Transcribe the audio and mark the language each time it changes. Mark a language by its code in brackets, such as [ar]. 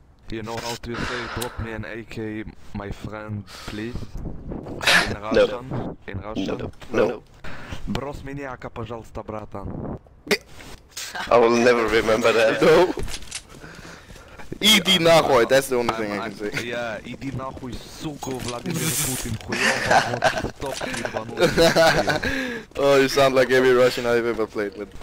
[en] You know how to say drop me an AK, my friend, please? In Russian? No. [ru] Брось мне АК, пожалуйста, братан. [en] I will never remember that. No. ID [ru] нахуй, [en] that's the only thing I can say. Yeah, [ru] ID нахуй, суку, Владимир Путин, хуёво, вот, стоп, ебанул. [en] Oh, you sound like every Russian I've ever played with.